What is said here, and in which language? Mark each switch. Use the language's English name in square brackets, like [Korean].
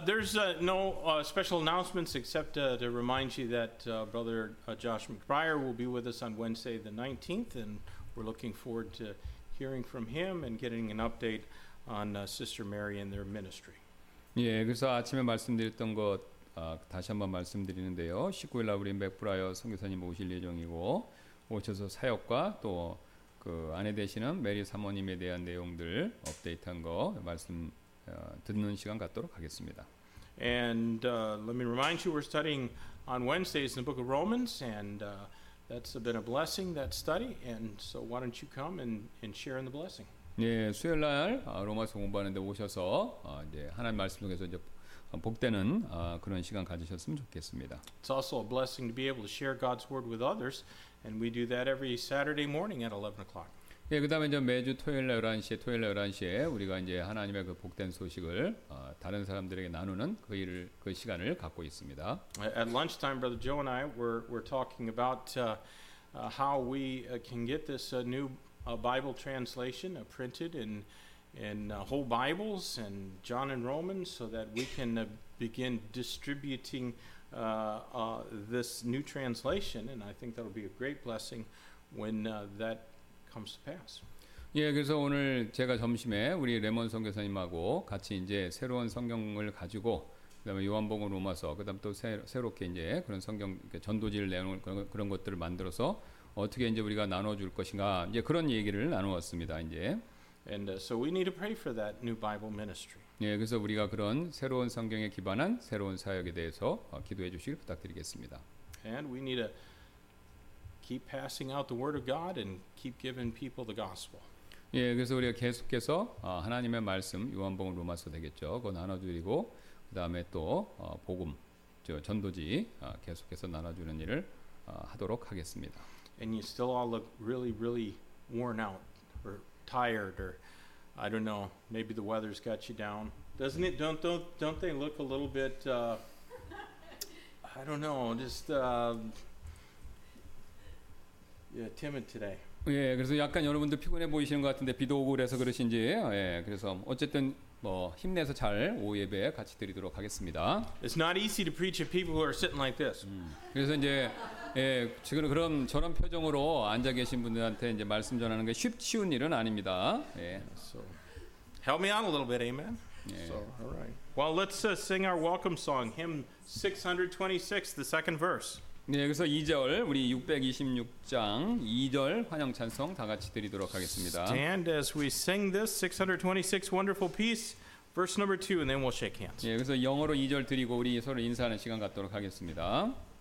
[English] There's no special announcements except to remind you that Brother Josh McBriar will be with us on Wednesday the 19th, and we're looking forward to hearing from him and getting an update on Sister Mary and their ministry. [Korean] 예, 그래서 아침에 말씀드렸던 것 다시 한번 말씀드리는데요. 19일 날 우리 맥브라이어 선교사님 오실 예정이고 오셔서 사역과 또 그 아내 되시는 메리 사모님에 대한 내용들 업데이트한 거 말씀 듣는 시간 갖도록 하겠습니다. [English] And let me remind you, we're studying on Wednesdays in the Book of Romans, and that's been a blessing, that study. And so, why don't you come and share in the blessing? [Korean] 예, 수요일 날 로마서 공부하는데 오셔서 이제 하나님 말씀 통해서 이제 복되는 그런 시간 가지셨으면 좋겠습니다. [English] It's also a blessing to be able to share God's word with others, and we do that every Saturday morning at 11 o'clock. [Korean] 예, 그다음에 이제 매주 토요일 날 11시에 우리가 이제 하나님의 그 복된 소식을 다른 사람들에게 나누는 그 일을 그 시간을 갖고 있습니다. [English] At lunchtime, Brother Joe and I were talking about how we can get this new a Bible translation printed in whole Bibles and John and Romans so that we can begin distributing this new translation, and I think that will be a great blessing when that comes to pass. [Korean] 예, 그래서 오늘 제가 점심에 우리 레몬 선교사님하고 같이 이제 새로운 성경을 가지고 그다음에 요한복음 로마서 그다음 또 새롭게 이제 그런 성경 그러니까 전도지를 내놓은 그런 것들을 만들어서 어떻게 이제 우리가 나눠 줄 것인가 이제 그런 얘기를 나누었습니다. 이제. [English] And so we need to pray for that new Bible ministry. [Korean] 예, 그래서 우리가 그런 새로운 성경에 기반한 새로운 사역에 대해서 기도해 주시길 부탁드리겠습니다. [English] And we need to keep passing out the word of God and keep giving people the gospel. [Korean] 예, 그래서 우리가 계속해서 하나님의 말씀 요한복음 로마서 되겠죠. 그거 나눠 드리고 그다음에 또 복음 저 전도지 계속해서 나눠 주는 일을 하도록 하겠습니다. [English] And you still all look really, really worn out or tired, or I don't know, maybe the weather's got you down. Doesn't it? Don't they look a little bit, I don't know, just yeah, timid today? [Korean] 예, 그래서 약간 여러분들 피곤해 보이시는 것 같은데 비도 오고 그래서 그러신지. 예, 그래서 어쨌든 뭐 힘내서 잘 오후 예배 같이 드리도록 하겠습니다. [English] It's not easy to preach if people who are sitting like this. [Korean] 그래서 이제 예, 지금 그런 저런 표정으로 앉아 계신 분들한테 이제 말씀 전하는 게 쉬운 일은 아닙니다. 예. [English] So help me out a little bit, amen. [Korean] 예. [English] So all right. Well, let's sing our welcome song, hymn 626, the second verse. [Korean] 네, 그래서 2절 우리 626장 2절 환영 찬송 다 같이 드리도록 하겠습니다. [English] Stand as we sing this 626 wonderful piece, verse number 2, and then we'll shake hands. [Korean] 네, 그래서 영어로 2절 드리고 우리 서로 인사하는 시간 갖도록 하겠습니다.